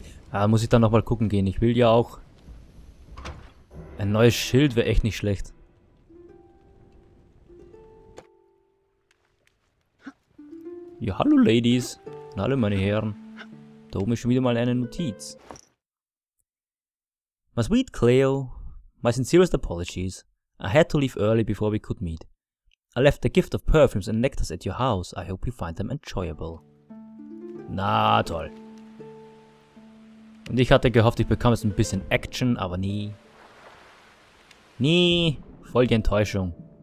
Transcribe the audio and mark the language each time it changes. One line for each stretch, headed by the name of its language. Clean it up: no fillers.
German: Ah, muss ich dann nochmal gucken gehen. Ich will ja auch... Ein neues Schild wäre echt nicht schlecht. Ja, hallo Ladies. Und hallo meine Herren. Da oben ist schon wieder mal eine Notiz.
English: My sweet Cleo, my sincerest apologies. I had to leave early before we could meet. I left a gift of perfumes and nectars at your house. I hope you find them enjoyable.
German: Na toll. Und ich hatte gehofft, ich bekomme jetzt ein bisschen Action, aber nie. Nie. Voll die Enttäuschung.